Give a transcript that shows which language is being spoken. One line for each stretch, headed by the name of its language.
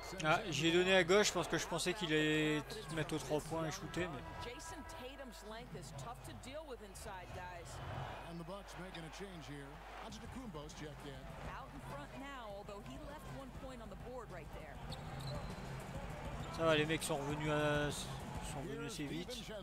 French: Ah, j'ai donné à gauche parce que je pensais qu'il allait mettre aux 3 points et shooter, mais.
English: Jason Tatum's length is tough to deal with inside, guys. And the Bucks making a change here. Antetokounmpo's checked in. Out in front now, although he left 1 point on the board right there.
French: Ça va, les mecs sont venus assez vite.